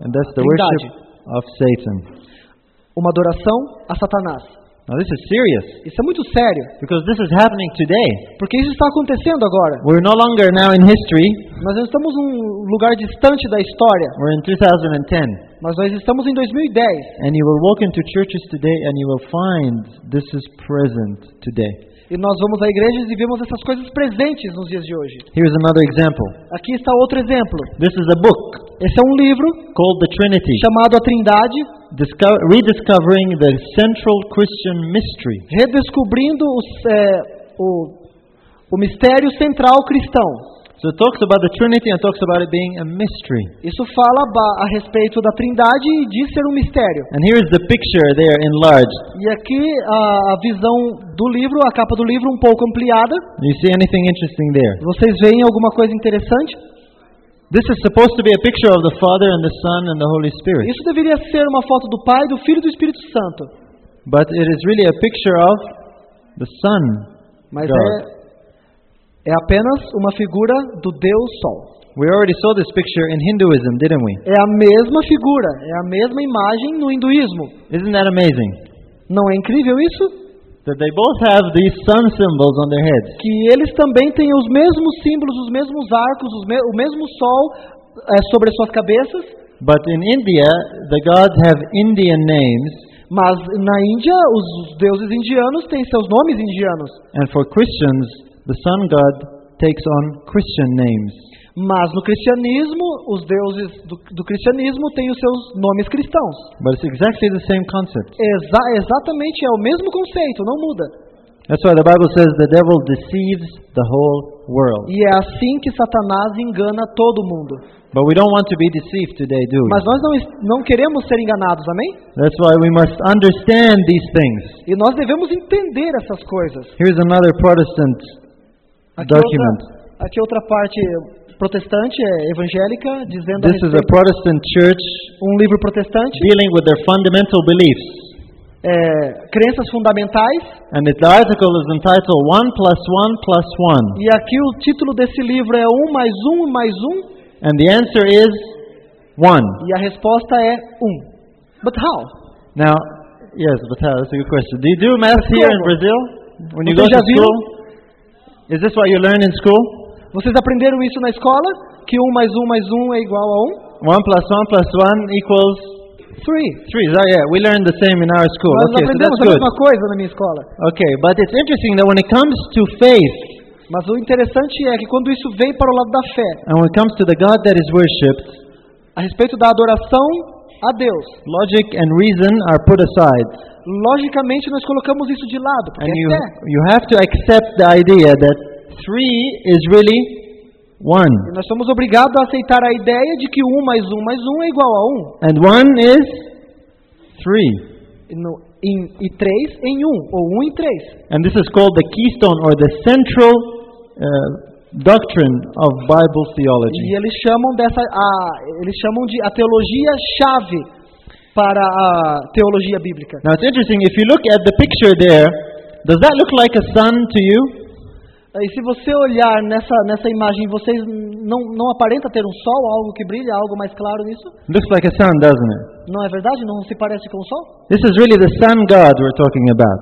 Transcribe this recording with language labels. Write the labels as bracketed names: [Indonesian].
[English] And that's the worship of Satan. [Portuguese] Uma adoração a Satanás. [English] Now this is serious. [Portuguese] Isso é muito sério. [English] Because this is happening today. [Portuguese] Porque isso está acontecendo agora. [English] We're no longer now in history. [Portuguese] Nós não estamos num lugar distante da história. [English] We're in 2010. [Portuguese] Mas nós estamos em 2010. [English] And you will walk into churches today and you will find this is present today. [Portuguese] E nós vamos à igreja e vemos essas coisas presentes nos dias de hoje. [English] Here's another example. [Portuguese] Aqui está outro exemplo. [English] This is a book. [Portuguese] Esse é um livro [English] called The Trinity. [Portuguese] Chamado A Trindade. [English] Rediscovering the Central Christian Mystery. [Portuguese] Redescobrindo o mistério central cristão. [English] So it talks about the Trinity and talks about it being a mystery. [Portuguese] Isso fala a respeito da Trindade e diz ser mistério. [English] And here is the picture there enlarged. [Portuguese] E aqui a visão do livro, a capa do livro um pouco ampliada. [English] You see anything interesting there? [Portuguese] Vocês veem alguma coisa interessante? [English] This is supposed to be a picture of the Father and the Son and the Holy Spirit. [Portuguese] Isso deveria ser uma foto do Pai, do Filho e do Espírito Santo. [English] But it is really a picture of the Son. [Portuguese] Mas é apenas uma figura do Deus Sol. [English] We already saw this picture in Hinduism, didn't we? [Portuguese] É a mesma figura, é a mesma imagem no hinduísmo. [English] Isn't that amazing? [Portuguese] Não é incrível isso? [English] That they both have these sun symbols on their heads. [Portuguese] Que eles também têm os mesmos símbolos, os mesmos arcos, o mesmo sol sobre as suas cabeças. [English] But in India, the gods have Indian names. [Portuguese] Mas na Índia, os deuses indianos têm seus nomes indianos. [English] And for Christians, the sun god takes on Christian names. [Portuguese] Mas no cristianismo, os deuses do cristianismo têm os seus nomes cristãos. [English] But it's exactly the same concept. [Portuguese] Exatamente, é o mesmo conceito, não muda. [English] That's why the Bible says the devil deceives the whole world. [Portuguese] E é assim que Satanás engana todo mundo. [English] But we don't want to be deceived today, do we? [Portuguese] Mas nós não queremos ser enganados, amém? [English] That's why we must understand these things. [Portuguese] E nós devemos entender essas coisas. [English] Here's another Protestant document. [Portuguese] Aqui outra parte protestante, evangélica, dizendo [English] this is a Protestant church, [Portuguese] um livro protestante, [English] dealing with their fundamental beliefs. [Portuguese] Crenças fundamentais. [English] And the article is entitled 1 plus 1 plus 1. [Portuguese] E aqui o título desse livro é 1 mais 1 mais 1. [English] And the answer is 1. [Portuguese] E a resposta é 1. [English] But how? Now, yes, but how? That's a good question. Do you do math here in Brazil? When you go to school? Is this what you learn in school? [Portuguese] Vocês aprenderam isso na escola? Que 1 mais 1 mais 1 é igual a 1? [English] 1 plus 1 plus 1 equals 3. 3, yeah, we learned the same in our school. [Portuguese] Nós [English] okay, [Portuguese] aprendemos [English] so that's [Portuguese] a mesma coisa na minha escola. [English] Okay, but it's interesting that when it comes to faith, [Portuguese] mas o interessante é que quando isso vem para o lado da fé, [English] and when it comes to the God that is worshipped, [Portuguese] a respeito da adoração a Deus, [English] logic and reason are put aside. [Portuguese] Logicamente nós colocamos isso de lado, porque [English] and [Portuguese] é [English] you, [Portuguese] fé. [English] You have to accept the idea that 3 is really 1. [Portuguese] E nós somos obrigados a aceitar a ideia de que 1 mais 1 mais 1 é igual a 1. [English] And 1 is 3. [Portuguese] E 3 em 1, ou 1 em 3. [English] And this is called the keystone or the central doctrine of Bible theology. [Portuguese] E eles chamam de a teologia chave para a teologia bíblica. [English] Now it's interesting, if you look at the picture there, does that look like a sun to you? [Portuguese] E se você olhar nessa imagem, vocês não aparenta ter um sol, algo que brilha, algo mais claro nisso? [English] Looks like a sun, doesn't it? [Portuguese] Não é verdade? Não se parece com o sol? [English] This is really the sun god we're talking about.